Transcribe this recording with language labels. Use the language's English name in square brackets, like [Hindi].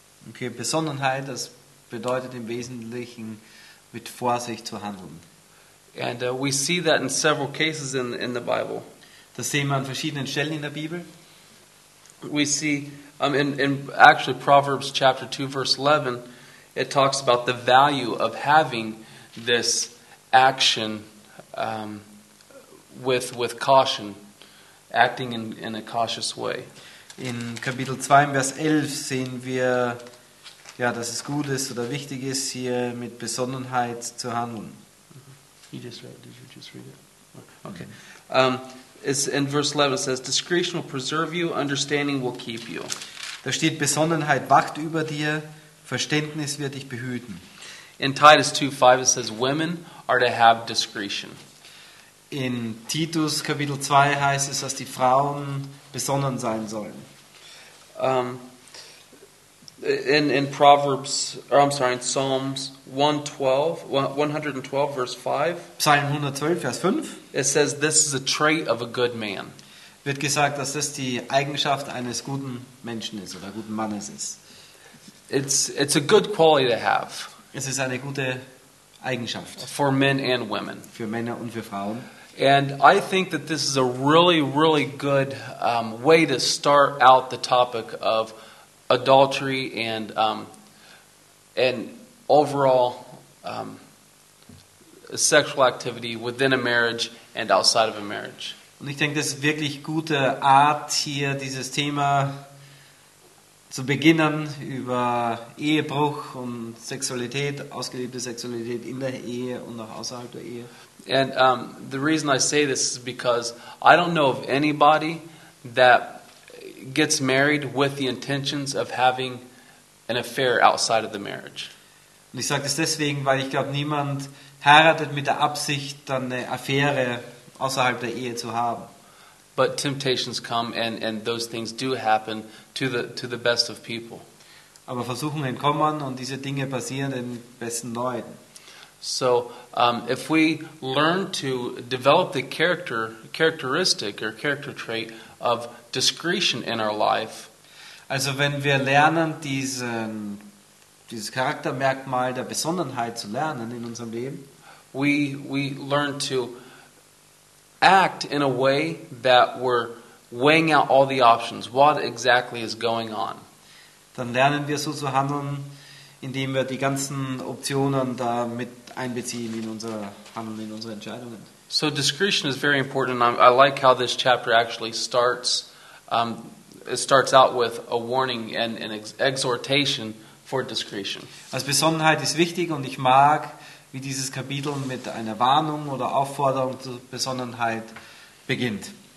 [German] Okay, Besonnenheit, das bedeutet im Wesentlichen mit Vorsicht zu handeln. [English] And we see that in several cases in the Bible. [German] Das sehen wir an verschiedenen Stellen in der Bibel. [English] We see in actually Proverbs chapter 2 verse 11, it talks about the value of having this action with caution, acting in a cautious way. [German] In Kapitel 2 in Vers 11 sehen wir, ja, dass es gut ist oder wichtig ist, hier mit Besonnenheit zu handeln. [English] In Vers 11 says, discretion will preserve you, understanding will keep you. [German] Da steht, Besonnenheit wacht über dir, Verständnis wird dich behüten. [English] In Titus 2:5 it says, women are to have discretion. [German] In Titus Kapitel 2 heißt es, dass die Frauen besonnen sein sollen. [English] In Psalms 112 verse 5. [German] Psalm 112 Vers 5. [English] It says this is a trait of a good man. [German] Wird gesagt, dass das die Eigenschaft eines guten Menschen ist oder guten Mannes ist. [English] It's a good quality to have. [German] Es ist eine gute Eigenschaft. [English] For men and women. [German] Für Männer und für Frauen. [English] And I think that this is a really, really good way to start out the topic of adultery and overall sexual activity within a marriage and outside of a marriage. [German] Und ich denke, das ist wirklich gute Art, hier dieses Thema zu beginnen, über Ehebruch und Sexualität, ausgelebte Sexualität in der Ehe und auch außerhalb der Ehe. [English] And the reason I say this is because I don't know of anybody that gets married with the intentions of having an affair outside of the marriage. [German] Und ich sage das deswegen, weil ich glaube, niemand heiratet mit der Absicht, dann eine Affäre außerhalb der Ehe zu haben. [English] But temptations come and those things do happen to the best of people. [German] Aber Versuchungen kommen und diese Dinge passieren den besten Leuten. [English] So if we learn to develop the characteristic or character trait of discretion in our life, [German] also wenn wir lernen dieses Charaktermerkmal der Besonnenheit zu lernen in unserem Leben, [English] we learn to act in a way that we're weighing out all the options, what exactly is going on, [German] dann lernen wir so zu handeln, indem wir die ganzen Optionen da mit einbeziehen in unser Handeln, in unsere Entscheidungen. [English] So discretion is very important, and I like how this chapter actually starts. It starts out with a warning and an exhortation for discretion. [German] Also Besonnenheit ist wichtig, und ich mag, wie dieses Kapitel mit einer Warnung oder Aufforderung zur Besonnenheit beginnt.